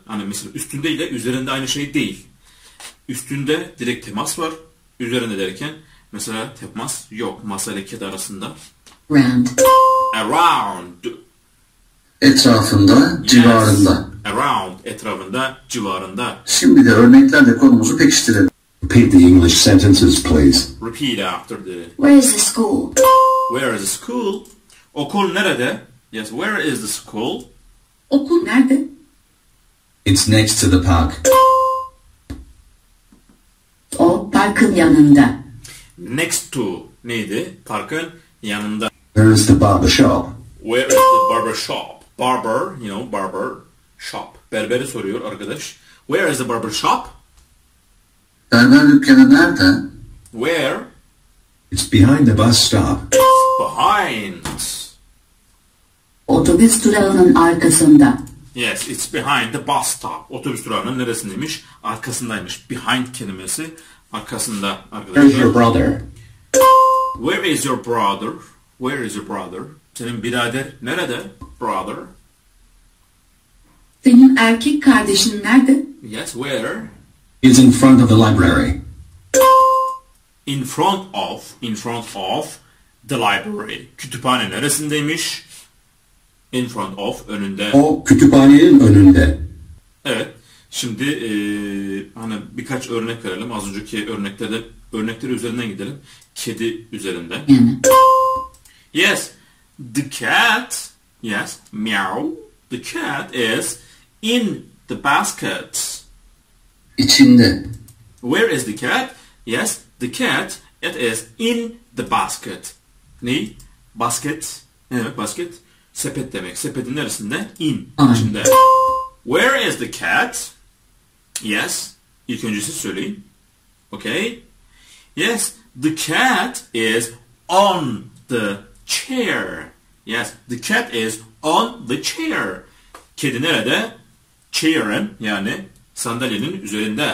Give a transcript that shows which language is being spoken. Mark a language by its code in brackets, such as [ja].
[tr] Hani mesela üstünde ile üzerinde aynı şey değil. Üstünde direkt temas var. Üzerinde derken mesela temas yok. Masa ile kedi arasında. [en] Around. Around. [tr] Etrafında, [en] yes. [tr] Civarında. [en] Around. [tr] Etrafında, civarında. Şimdi de örneklerle konumuzu pekiştirelim. [en] Repeat the English sentences, please. Repeat after the... Where is the school? Where is the school? [tr] Okul nerede? [en] Yes, where is the school? [tr] Okul nerede? [en] It's next to the park. [tr] O parkın yanında. [en] Next to [tr] neydi? Parkın yanında. [en] Where is the barber shop? Where is the barber shop? Barber, you know, barber shop. [tr] Berberi soruyor arkadaş. [en] Where is the barber shop? [tr] Berber dükkanı nerede? [en] Where? It's behind the bus stop. It's behind. [tr] Otobüs durağının arkasında. [en] Yes, it's behind the bus stop. [tr] Otobüs durağının neresindeymiş? Arkasındaymış. Behind kelimesi arkasında. [en] Where's your brother? Where is your brother? Where is your brother? [tr] Senin birader nerede? [en] Brother. [tr] Senin erkek kardeşin nerede? [en] Yes, where? Is in front of the library. In front of, in front of the library. [tr] Kütüphane neresindeymiş? [en] In front of, [tr] önünde. O kütüphanenin önünde. Evet. Şimdi hani birkaç örnek verelim. Az önceki örneklerde örnekleri üzerinden gidelim. Kedi üzerinde. Yani. [en] Yes. The cat, yes, meow. The cat is in the basket. [tr] İçinde. [en] Where is the cat? Yes, the cat, it is in the basket. [tr] Ne? Basket. Ne demek basket? Sepet demek. Sepetin neresinde? In. Aynen. İçinde. [en] Where is the cat? Yes. [tr] İlk öncesi söyleyin. [en] Okay. Yes, the cat is on the chair. Yes, the cat is on the chair. [tr] Kedi nerede? Chair'ın, yani sandalyenin üzerinde.